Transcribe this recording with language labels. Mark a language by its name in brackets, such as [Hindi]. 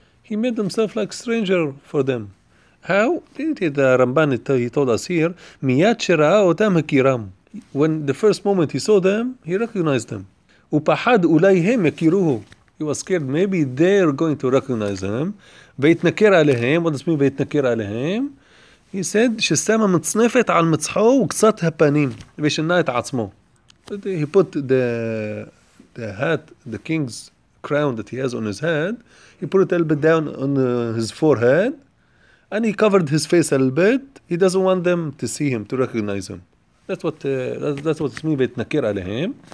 [English] He made himself like a stranger for them. How? The Ramban, he told us here, [Hebrew] מיד שראה אותם הכירם. [English] When the first moment he saw them, he recognized them. [Hebrew] ופחד אולי הם יכירוהו. [English] He was scared, maybe they're going to recognize him. [Hebrew] ויתנקר עליהם, [English] what does it mean, ויתנקר עליהם? He said, [Hebrew] ששמה מצנפת על מצחו וקצת הפנים, ושינה את עצמו. [English] But he put the hat, the king's crown that he has on his head, he put it a little bit down on his forehead, and he covered his face a little bit. He doesn't want them to see him, to recognize him. That's what it means, [Hebrew] ויתנקר עליהם.